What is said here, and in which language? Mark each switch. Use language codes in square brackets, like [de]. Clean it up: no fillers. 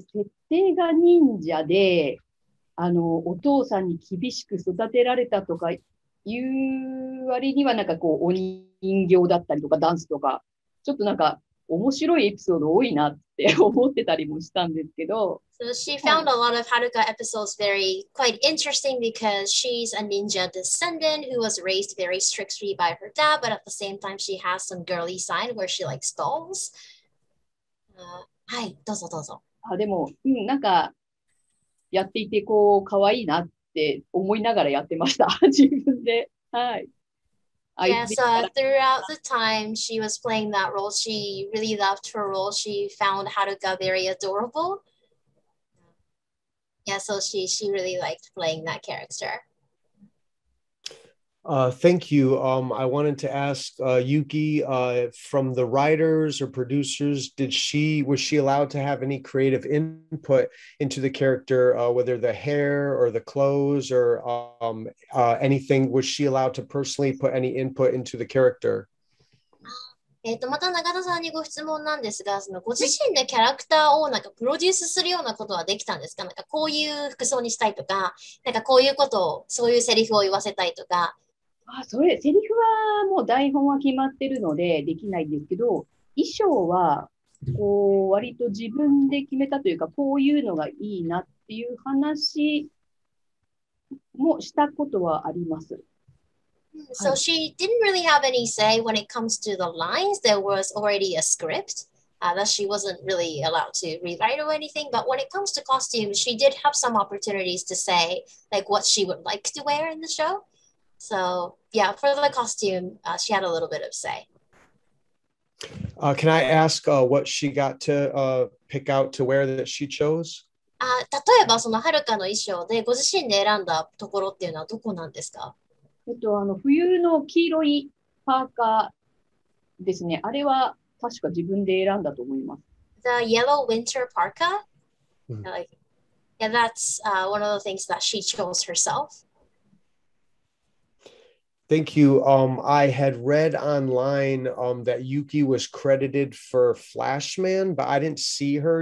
[ja] 設定が忍者で、あのお父さんに厳しく育てられたとかいう割にはなんかこうお人形だったりとかダンスとかちょっとなんか面白いエピソード多いなって思ってたりもしたんですけど。 [en] So she found a lot of Haruka episodes very quite interesting because she's a ninja descendant who was raised very strictly by her dad, but at the same time she has some girly side where she likes dolls. [ja] はい、どうぞどうぞ。あ、でも、うん、なんかやっていてこう可愛いなって思いながらやってました自分で。はい。 [en] Yeah, so throughout the time she was playing that role, she really loved her role. She found Haruka very adorable. Yeah, so she really liked playing that character. Thank you. I wanted to ask Yuki, from the writers or producers, was she allowed to have any creative input into the character, whether the hair or the clothes or anything? Was she allowed to personally put any input into the character? [ja] また永田さんにご質問なんですが、そのご自身でキャラクターをなんかプロデュースするようなことはできたんですか？なんかこういう服装にしたいとか、なんかこういうことを、そういうセリフを言わせたいとか、あ、それセリフはもう台本は決まってるのでできないんですけど、衣装はこう割と自分で決めたというか、こういうのがいいなっていう話もしたことはあります。 [en] So she didn't really have any say when it comes to the lines. There was already a script, that she wasn't really allowed to rewrite or anything. But when it comes to costumes, she did have some opportunities to say like what she would like to wear in the show. So yeah, for the costume, she had a little bit of say. Can I ask what she got to pick out to wear that she chose? [ja] 例えばそのハルカの衣装でご自身で選んだところっていうのはどこなんですか？冬の黄色いパーカーですね。あれは確か自分で選んだと思います。 [en] The yellow winter parka? Yeah, that's one of the things that she chose herself. Thank you. I had read online that Yuki was credited for Flashman, but I didn't see her.